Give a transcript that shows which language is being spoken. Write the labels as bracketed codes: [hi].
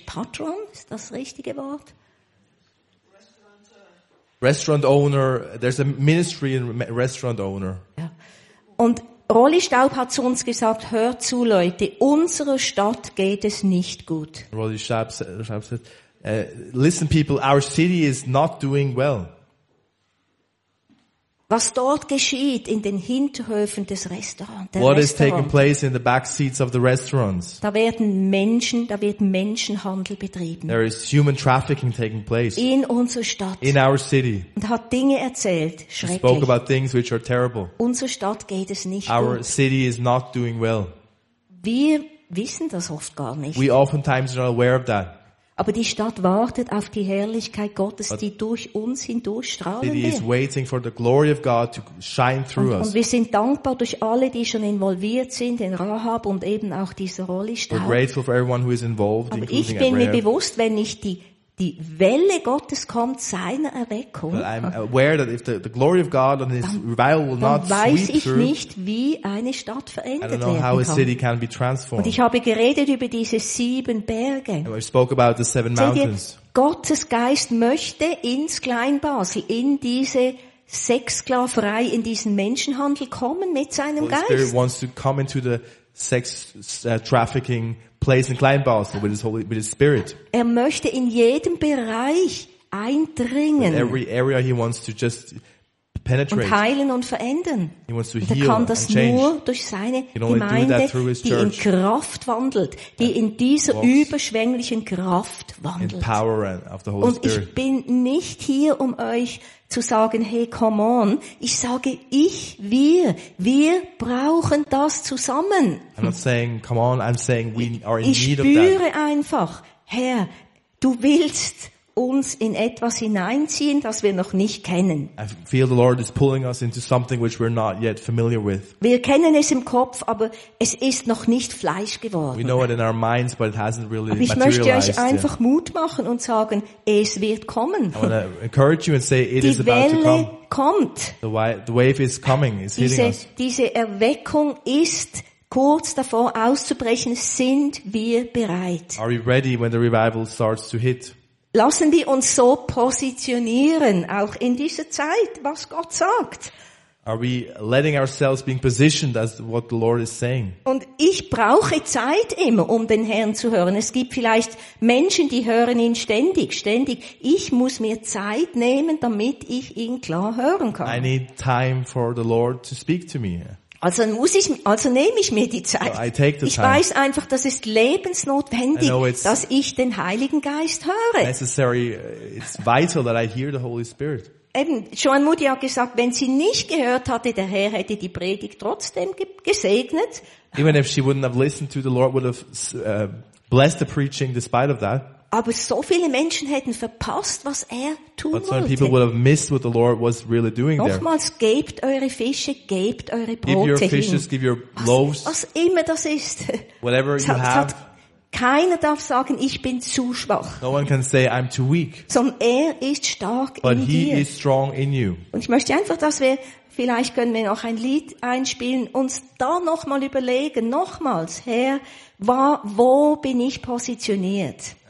[de] Patron, ist das richtige Wort? [en] Restaurant owner, there's a ministry in restaurant owner. [de] Ja. Und Rolli Staub hat zu uns gesagt, hört zu Leute, unserer Stadt geht es nicht gut. [en] Rolli Staub said, listen people, our city is not doing well. [de] Was dort geschieht in den Hinterhöfen des Restaurants. [en] What is taking place in the back seats of the restaurants? [de] Da wird Menschenhandel betrieben. [en] There is human trafficking taking place. [de] In unserer Stadt. [en] In our city. [de] Und hat Dinge erzählt, schrecklich. [en] Spoke about things which are terrible. [de] Unsere Stadt geht es nicht [en] our [de] gut. [en] Our city is not doing well. [de] Wir wissen das oft gar nicht. [en] We oftentimes are not aware of that. [de] Aber die Stadt wartet auf die Herrlichkeit Gottes, die durch uns hindurchstrahlen wird. [en] It is waiting for the glory of God to shine through us. [de] Und wir sind dankbar durch alle, die schon involviert sind, in Rahab und eben auch diese Rolli Staub. [en] We're grateful for everyone who is involved, including Abraham. [de] Aber ich bin mir bewusst, wenn nicht die Welle Gottes kommt, seiner Erweckung, [en] but I'm aware that if the glory of God and his revival will not sweep through, [de] weiß ich nicht, wie eine Stadt verändert werden kann. [en] I don't know how a city can be transformed. [de] Und ich habe geredet über diese sieben Berge. [en] And we spoke about the seven mountains. [de] Gottes Geist möchte ins Kleinbasel, in diese Sexsklaverei, in diesen Menschenhandel kommen mit seinem Geist. [en] The Spirit wants to come into the sex trafficking place in Kleinbasel with his spirit. [de] Er möchte in jedem Bereich eindringen. [en] In every area he wants to just penetrate. [de] Und heilen und verändern. [en] He wants to heal and change. [de] Nur durch seine Gemeinde, die in Kraft wandelt, die in dieser überschwänglichen Kraft wandelt. [en] In power of the Holy [de] und ich bin nicht hier, um euch zu sagen, [en] hey, come on. [de] Ich sage, wir brauchen das zusammen. [en] I'm not saying, come on, I'm saying we are in need of [de] Ich spüre einfach, Herr, du willst uns in etwas hineinziehen, das wir noch nicht kennen. [en] I feel the Lord is pulling us into something which we're not yet familiar with. [de] Wir kennen es im Kopf, aber es ist noch nicht Fleisch geworden. [en] We know it in our minds, but it hasn't really [de] aber ich [en] materialized. [de] Möchte euch einfach Mut machen und sagen, es wird kommen. [en] I want to encourage you and say it is about to come. [de] Die Welle kommt. [en] The wave is coming. It's hitting us. [de] Diese Erweckung ist kurz davor auszubrechen. Sind wir bereit? [en] Are we ready when the revival starts to hit? [de] Lassen wir uns so positionieren, auch in dieser Zeit, was Gott sagt. [en] Are we letting ourselves being positioned as what the Lord is saying? [de] Und ich brauche Zeit immer, um den Herrn zu hören. Es gibt vielleicht Menschen, die hören ihn ständig. Ich muss mir Zeit nehmen, damit ich ihn klar hören kann. [en] I need time for the Lord to speak to me. [de] Also nehme ich mir die Zeit. [en] So I take the [de] ich weiß einfach, das ist lebensnotwendig, dass ich den Heiligen Geist höre. [en] Necessary, it's vital that I hear the Holy Spirit. [de] Eben, Joan Moody hat gesagt, wenn sie nicht gehört hatte, der Herr hätte die Predigt trotzdem gesegnet. [en] Even if she wouldn't have listened to, the Lord would have blessed the preaching despite of that. [de] Aber so viele Menschen hätten verpasst, was er tun wollte. [en] But some people would have missed what the Lord was really doing there. [de] Nochmals, gebt eure Fische, gebt eure Brote hin. [en] Give your fishes, give your loaves. [de] Was immer das ist. [en] Whatever you have. [de] Keiner darf sagen, ich bin zu schwach. [en] No one can say I'm too weak. [de] Sondern er ist stark in dir. [en] But he is strong in you. [de] Und ich möchte einfach, dass wir vielleicht können wir noch ein Lied einspielen, uns da nochmal überlegen, nochmals, Herr, wo bin ich positioniert?